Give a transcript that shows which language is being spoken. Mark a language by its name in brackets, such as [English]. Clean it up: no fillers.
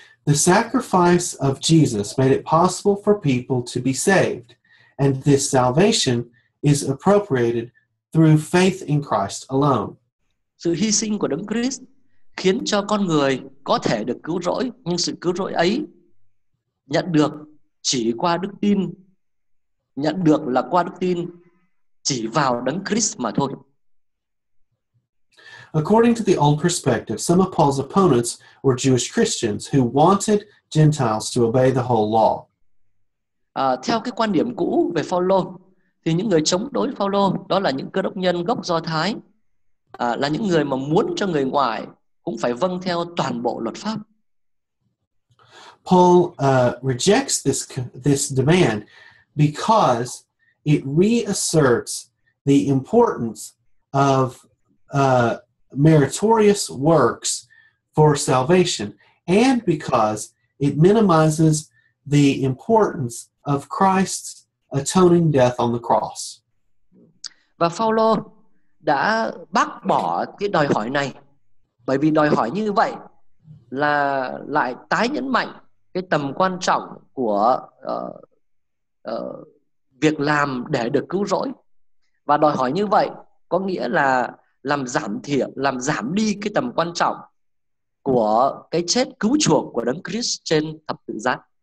[English] The sacrifice of Jesus made it possible for people to be saved, and this salvation is appropriated through faith in Christ alone. [Vietnamese] Sự hy sinh của Đấng Christ khiến cho con người có thể được cứu rỗi, nhưng sự cứu rỗi ấy nhận được chỉ qua đức tin, nhận được là qua đức tin chỉ vào Đấng Christ mà thôi. [English] According to the old perspective, some of Paul's opponents were Jewish Christians who wanted Gentiles to obey the whole law. [Vietnamese] Theo cái quan điểm cũ về Phao-lô, thì những người chống đối Phao-lô đó là những Cơ Đốc nhân gốc Do Thái, là những người mà muốn cho người ngoài cũng phải vâng theo toàn bộ luật pháp. [English] Paul rejects this demand because it reasserts the importance of meritorious works for salvation, and because it minimizes the importance of Christ's atoning death on the cross. [Vietnamese] Và Phao-lô đã bác bỏ cái đòi hỏi này, bởi vì đòi hỏi như vậy là lại tái nhấn mạnh cái tầm quan trọng của việc làm để được cứu rỗi. Và đòi hỏi như vậy có nghĩa là làm giảm đi cái tầm quan trọng của cái chết cứu chuộc của Đấng Christ trên thập tự giá.